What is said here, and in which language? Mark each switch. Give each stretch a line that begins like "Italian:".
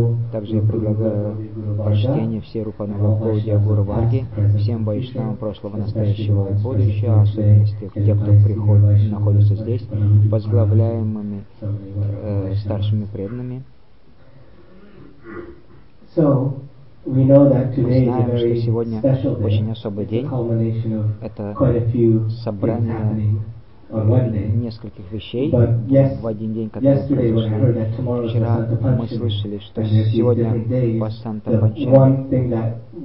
Russian: Также я предлагаю почтение всей Рупанавакоуди Агуру Варги, всем вайшнавам прошлого, настоящего и будущего, особенности тех, кто приходит, находится здесь, возглавляемыми старшими преданными.
English: We know that today is a very special day.
Russian: Это собрание нескольких вещей в один день, которые произошли. Вчера мы слышали, что сегодня Васанта Панчика.